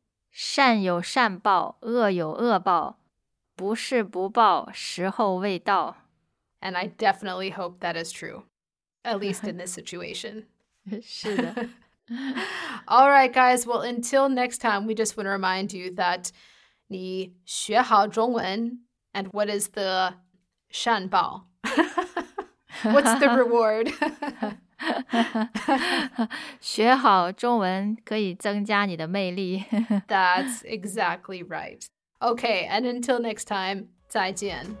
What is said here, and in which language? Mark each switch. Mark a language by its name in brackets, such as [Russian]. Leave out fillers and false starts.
[Chinese] 善有善报，恶有恶报，不是不报，时候未到。 [English] And I definitely hope that is true, at least in this situation. [Chinese] 是的。 [English] All right, guys. Well, until next time, we just want to remind you that [Chinese] 你学好中文 [English] and what is the 善报? What's the reward? [Chinese] 学好中文可以增加你的魅力。 [English] That's exactly right. Okay, and until next time, 再见。